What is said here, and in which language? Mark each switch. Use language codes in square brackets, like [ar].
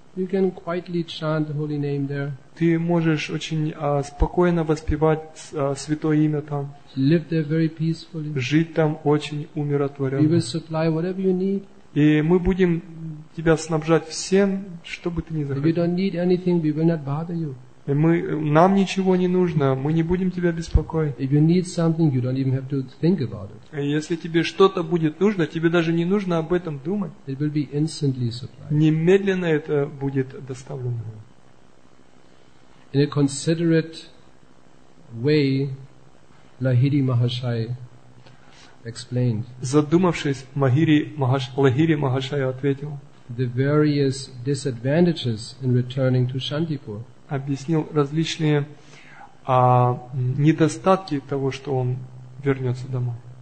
[en] You can quietly chant the holy name there. [ru] Ты можешь очень спокойно воспевать святое имя там. [en] Live there very peacefully. [ru] Жить там очень умиротворенно. [en] We will supply whatever you need. [ru] И мы будем тебя снабжать всем, что бы ты ни захотел. [en] If you don't need anything, we will not bother you. [ru] Нам ничего не нужно, мы не будем тебя беспокоить. [en] If you need something, you don't even have to think about it. [ru] Если тебе что-то будет нужно, тебе даже не нужно об этом думать. [en] It will be instantly supplied. [ru] Немедленно это будет доставлено. [en] In a considerate way, Lahiri Mahashay explained. [ru] Задумавшись, Лахири Махашай ответил. [en] The various disadvantages in returning to Shantipur. [ru] Объяснил различные недостатки того, что он вернется домой.